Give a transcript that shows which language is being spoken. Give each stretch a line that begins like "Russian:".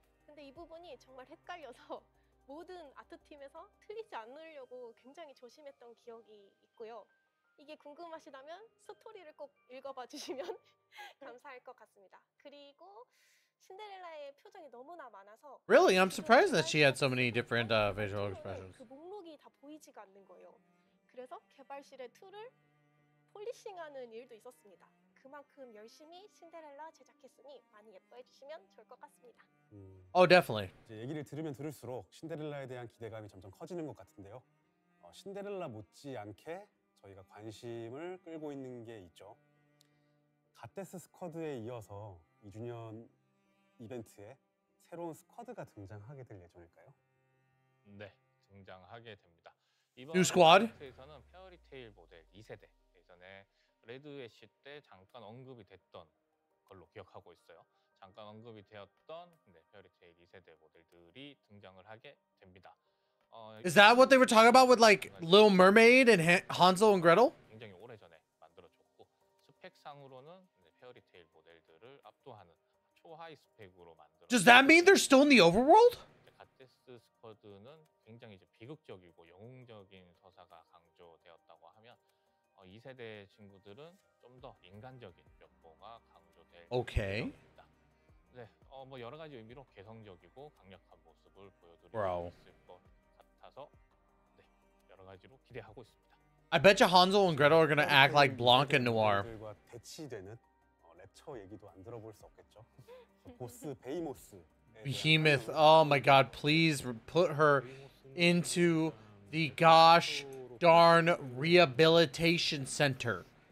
Korean: 근데 이 부분이 정말 헷갈려서 모든 아트팀에서 틀리지 않으려고 굉장히 조심했던 기억이 있고요. 이게 궁금하시다면 스토리를 꼭 읽어봐 주시면 감사할 것 같습니다. 그리고 신데렐라의 표정이 너무나 많아서
English: Really? I'm surprised that she had so many different visual expressions.
Korean: 그 목록이 다 보이지가 않는 거예요. 그래서 개발실의 툴을 폴리싱하는 일도 있었습니다. 그만큼 열심히 신데렐라 제작했으니 많이 예뻐해 주시면 좋을 것 같습니다.
English: Oh, definitely.
Korean: 이제 얘기를 들으면 들을수록 신데렐라에 대한 기대감이 점점 커지는 것 같은데요. 신데렐라 못지않게 저희가 관심을 끌고 있는 게 있죠. 갓데스 스쿼드에 이어서 2주년 이벤트에 새 새로운 스쿼드가 등장하게 될 예정일까요? 네, 등장하게 됩니다. 이번 스쿼드에서는 페어리테일 모델 2세대, 예전에 레드 애쉬 때 잠깐 언급이 됐던 걸로 기억하고 있어요. 잠깐 언급이 되었던 네, 페어리테일 2세대 모델들이 등장을 하게 됩니다.
English: Is that what they were talking about with like Little Mermaid and Hansel and Gretel?
Korean: 굉장히 오래전에 만들어졌고 스펙상으로는 네, 페어리테일 모델들을 압도하는 초하이 스펙으로 만들었어요.
English: Does that mean they're still in the overworld?
Korean: 가테스 스쿼드는 굉장히 이제 비극적이고 영웅적인 서사가 강조되었다고 하면 2세대 친구들은 좀 더 인간적인 면모가 강조될 것입니다.
English: Okay.
Korean: 네, 뭐 여러 가지 의미로 개성적이고 강력한 모습을 보여드리고 있을 것 같아서 네, 여러 가지로 기대하고 있습니다.
English: I bet you Hansel and Gretel are gonna act like Blanc and Noir.
Korean: 그리고 대치되는 랩처 얘기도 안 들어볼 수 없겠죠. 보스 베이모스.
English: Behemoth. Oh my God! Please put her into the gosh darn rehabilitation center.